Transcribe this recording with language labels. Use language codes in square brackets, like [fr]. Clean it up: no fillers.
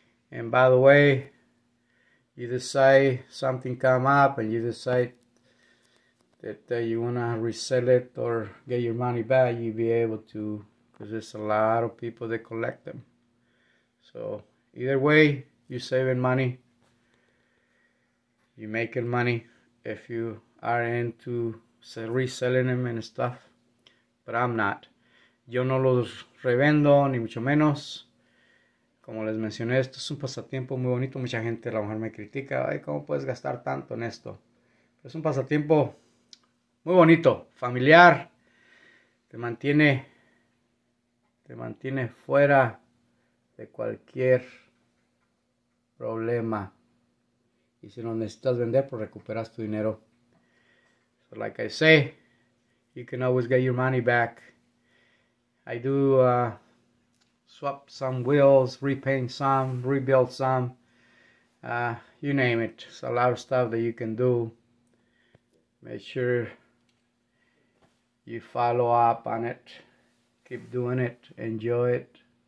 [en] And by the way, you decide something come up and you decide that you want to resell it or get your money back, you'll be able to, because there's a lot of people that collect them. So either way, you're saving money, you're making money if you are into reselling them and stuff, but I'm not. [es] Yo no los revendo, ni mucho menos. Como les mencioné, esto es un pasatiempo muy bonito. Mucha gente, a lo mejor, me critica. Ay, ¿cómo puedes gastar tanto en esto? Pero es un pasatiempo muy bonito, familiar. Te mantiene fuera de cualquier problema. Y si lo necesitas vender, pues recuperas tu dinero. [en] So like I say, you can always get your money back. I do swap some wheels, repaint some, rebuild some. You name it. It's a lot of stuff that you can do. Make sure you follow up on it. Keep doing it. Enjoy it.